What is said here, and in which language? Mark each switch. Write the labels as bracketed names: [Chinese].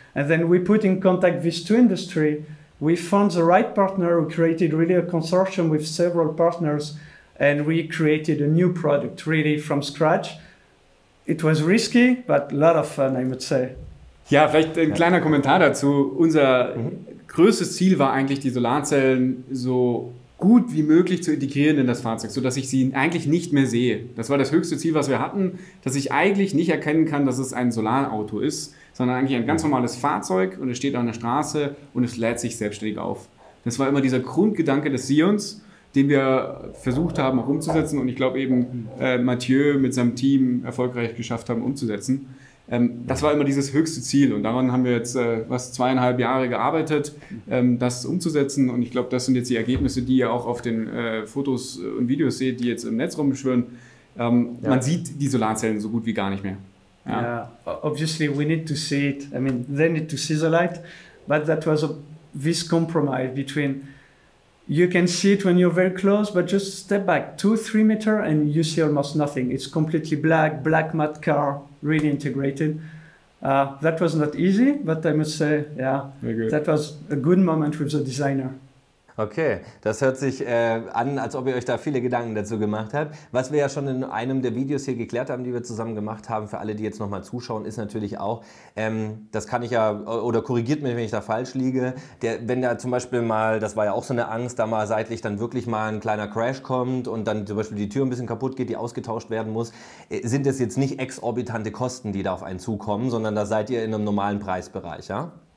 [English] And then we put in contact these two industries. We found the right partner. We created really a consortium with several partners, and we created a new product really from scratch. It was risky, but a lot of fun, I would say. [German] Ja, vielleicht ein kleiner Kommentar dazu. Unser größtes Ziel war eigentlich, die Solarzellen so gut wie möglich zu integrieren in das Fahrzeug, sodass ich sie eigentlich nicht mehr sehe. Das war das höchste Ziel, was wir hatten, dass ich eigentlich nicht erkennen kann, dass es ein Solarauto ist, sondern eigentlich ein ganz normales Fahrzeug und es steht auf einer Straße und es lädt sich selbstständig auf. Das war immer dieser Grundgedanke des Sions, den wir versucht haben auch umzusetzen und ich glaube eben Mathieu mit seinem Team erfolgreich geschafft haben umzusetzen. Das war immer dieses höchste Ziel und daran haben wir jetzt was 2,5 Jahre gearbeitet, das umzusetzen und ich glaube, das sind jetzt die Ergebnisse, die ihr auch auf den Fotos und Videos seht, die jetzt im Netz rumschwirren. Ja. Man sieht die Solarzellen so gut wie gar nicht mehr. [English] Ja, yeah. Obviously we need to see it. I mean, they need to see the light, but that was this compromise between you can see it when you're very close, but just step back 2-3 meter and you see almost nothing. It's completely black, black matte car. Really integrated. That was not easy, but I must say, yeah, that was a good moment with the designer. [German] Okay, das hört sich an, als ob ihr euch da viele Gedanken dazu gemacht habt. Was wir ja schon in einem der Videos hier geklärt haben, die wir zusammen gemacht haben, für alle, die jetzt nochmal zuschauen, ist natürlich auch, das kann ich ja, oder korrigiert mich, wenn ich da falsch liege, wenn da zum Beispiel mal, das war ja auch so eine Angst, da mal seitlich dann wirklich mal ein kleiner Crash kommt und dann zum Beispiel die Tür ein bisschen kaputt geht, die ausgetauscht werden muss, sind das jetzt nicht exorbitante Kosten, die da auf einen zukommen, sondern da seid ihr in einem normalen Preisbereich, ja?